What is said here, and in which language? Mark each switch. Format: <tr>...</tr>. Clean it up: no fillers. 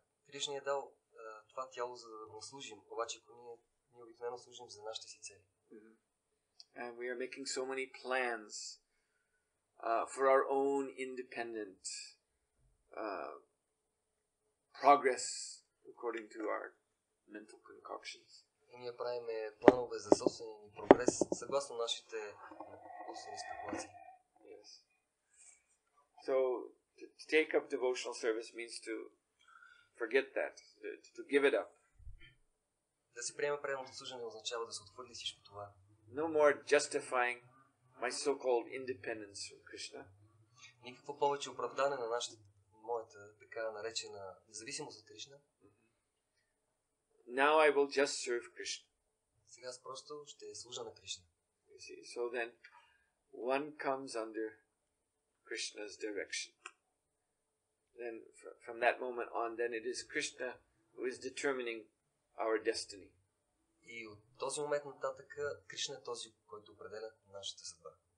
<bg>Кришна ни е дал това тяло, за да му служим, обаче ако ние обикновено служим за нашите си цели.</bg> <en>And we are making so many plans for our own independent progress according to our mental concoctions.</en> <bg>И ние правиме планове за собствения ни прогрес съгласно нашите собствени спекулации.</bg> <en>Yes. So to take up devotional service means to forget that, to give it up.</en> <bg>Да си приеме преданото служение означава да се отхвърли всичко това.</bg> <en>No more justifying my so-called independence from Krishna.</en> <bg>Никакво повече оправдане на моята така наречена независимост от Кришна.</bg> <en>Now I will just serve Krishna.</en> <bg>Сега аз просто ще служа на Кришна.</bg> <en>You see, so then one comes under Krishna's direction. Then from that moment on, then it is Krishna who is determining our destiny.</en> <bg>И от този момент нататък Кришна е този, който определя нашата съдба.</bg>